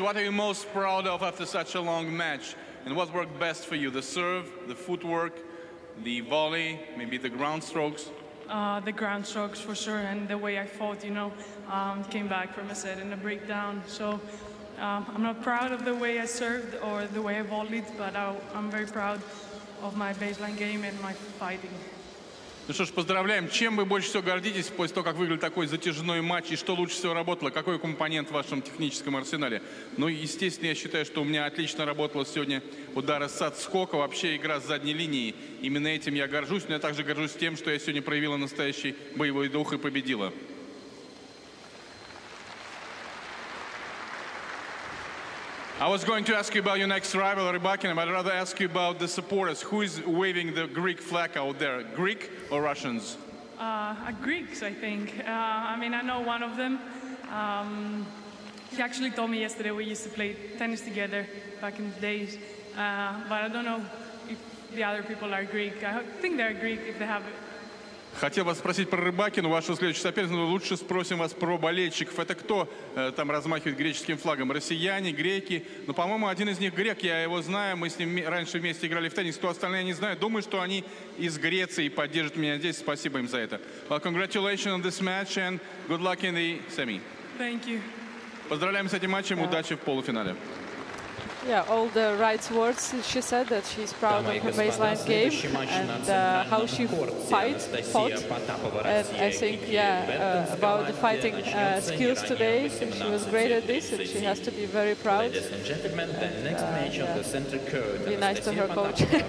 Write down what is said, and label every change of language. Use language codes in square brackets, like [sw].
[en] What are you most proud of after such a long match? And what worked best for you? The serve, the footwork, the volley, maybe the ground strokes? The ground strokes for sure, and the way I fought, you know, came back from a set and a breakdown. So I'm not proud of the way I served or the way I volleyed, but I'm very proud of my baseline game and my fighting. [ru] Ну что ж, поздравляем. Чем вы больше всего гордитесь после того, как выиграли такой затяжной матч, и что лучше всего работало? Какой компонент в вашем техническом арсенале? Ну, естественно, я считаю, что у меня отлично работало сегодня удары с отскока, вообще игра с задней линией. Именно этим я горжусь, но я также горжусь тем, что я сегодня проявила настоящий боевой дух и победила. [en] I was going to ask you about your next rival, Rybakina, but I'd rather ask you about the supporters. Who is waving the Greek flag out there, Greek or Russians? Greeks, I think. I mean, I know one of them. He actually told me yesterday we used to play tennis together back in the days. But I don't know if the other people are Greek. I think they're Greek if they have it. [ru] Хотел вас спросить про Рыбакину, вашего следующего соперника, но лучше спросим вас про болельщиков. Это кто там размахивает греческим флагом? Россияне, греки? Ну, по-моему, один из них грек, я его знаю, мы с ним раньше вместе играли в теннис, то остальные я не знаю. Думаю, что они из Греции и поддержат меня здесь. Спасибо им за это. [en] Well, congratulations on this match and good luck in the semi. Thank you. [ru] Поздравляем с этим матчем, удачи в полуфинале. [en] Yeah, all the right words she said, that she's proud of her baseline game and how she fought. And I think, yeah, about the fighting skills today, she was great at this and she has to be very proud. Be nice to her coach.